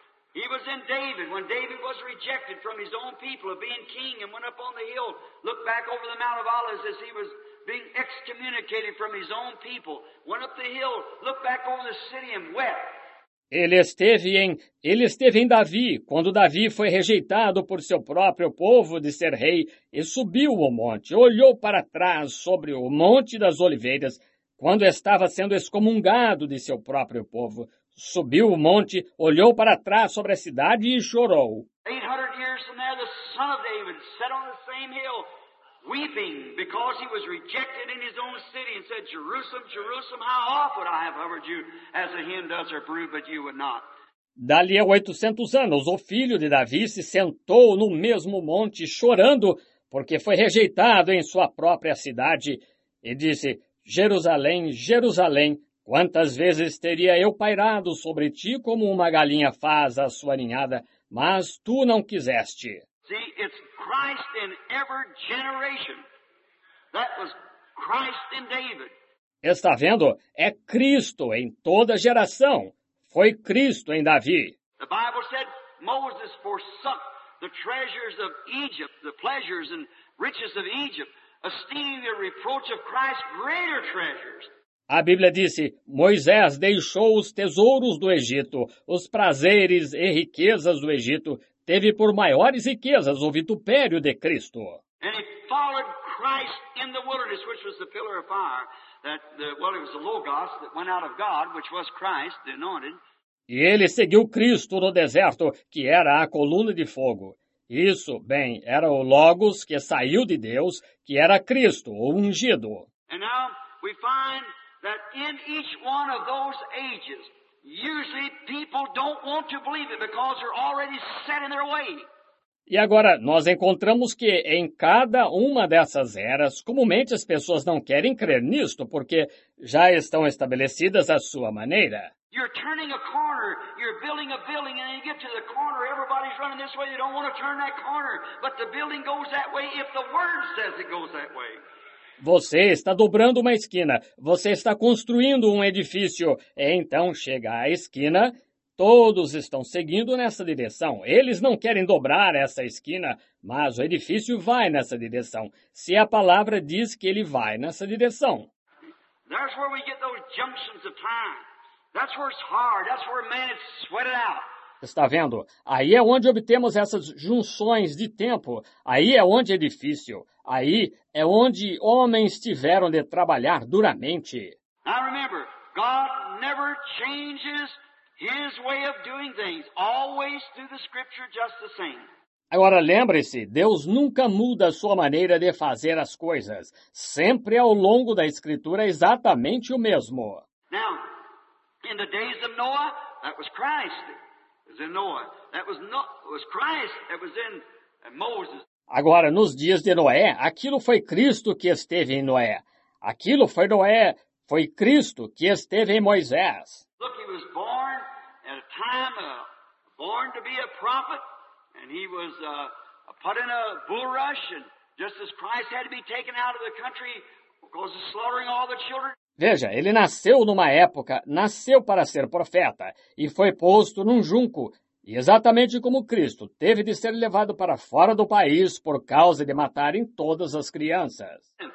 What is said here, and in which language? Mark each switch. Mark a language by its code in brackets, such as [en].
[en] He was in David, when David was rejected from his own people of being king and went up on the hill, looked back over the Mount of Olives as he was being excommunicated from his own people, went up the hill, looked back over the city and wept. [pt] Ele esteve em Davi, quando Davi foi rejeitado por seu próprio povo de ser rei, e subiu o monte, olhou para trás sobre o Monte das Oliveiras, quando estava sendo excomungado de seu próprio povo. Subiu o monte, olhou para trás sobre a cidade e chorou. [en] 800 years from there, the son of David sat on the same hill, weeping because he was rejected in his own city and said, Jerusalem, Jerusalem, how often I have hovered you as a hen does her brood, but you would not. [pt] Dali a 800 anos, o filho de Davi se sentou no mesmo monte chorando porque foi rejeitado em sua própria cidade e disse, Jerusalém, Jerusalém, quantas vezes teria eu pairado sobre ti como uma galinha faz a sua ninhada, mas tu não quiseste. [en] See, it's Christ in every generation. That was Christ in David. [pt] Está vendo? É Cristo em toda geração. Foi Cristo em Davi. [en] The Bible said Moses forsook the treasures of Egypt, the pleasures and riches of Egypt, esteeming the reproach of Christ greater treasures. [pt] A Bíblia disse, Moisés deixou os tesouros do Egito, os prazeres e riquezas do Egito, teve por maiores riquezas o vitupério de Cristo. [en] And he followed Christ in the wilderness, which was the pillar of fire, that the, well, it was the Logos that went out of God, which was Christ, the anointed. [pt] E ele seguiu Cristo no deserto, que era a coluna de fogo. Isso, bem, era o Logos que saiu de Deus, que era Cristo, o ungido. [en] And now we find that in each one of those ages, usually people don't want to believe it because they're already set in their way. [pt] E agora, nós encontramos que em cada uma dessas eras, comumente as pessoas não querem crer nisto, porque já estão estabelecidas à sua maneira. [en] You're turning a corner, you're building a building, and then you get to the corner, everybody's running this way, they don't want to turn that corner, but the building goes that way if the word says it goes that way. [pt] Você está dobrando uma esquina, você está construindo um edifício, e então chega à esquina, todos estão seguindo nessa direção. Eles não querem dobrar essa esquina, mas o edifício vai nessa direção, se a palavra diz que ele vai nessa direção. [en] That's where we get those junctions of time. That's where it's hard. That's where man is sweated out. [pt] Está vendo? Aí é onde obtemos essas junções de tempo. Aí é onde é difícil. Aí é onde homens tiveram de trabalhar duramente. [en] Now remember, God never changes his way of doing things, always through the scripture just the same. [pt] Agora lembre-se, Deus nunca muda a sua maneira de fazer as coisas. Sempre ao longo da escritura é exatamente o mesmo. [en] Now, in the days of Noah, that was Christ. In Noah. That was not, it was Christ that was in Moses. [pt] Agora, nos dias de Noé, aquilo foi Cristo que esteve em Noé. Aquilo foi Noé, foi Cristo que esteve em Moisés. [en] Look, he was born at a time, born to be a prophet, and he was put in a bulrush, and just as Christ had to be taken out of the country because of slaughtering all the children. [pt] Veja, ele nasceu numa época, nasceu para ser profeta, e foi posto num junco, e exatamente como Cristo, teve de ser levado para fora do país por causa de matarem todas as crianças.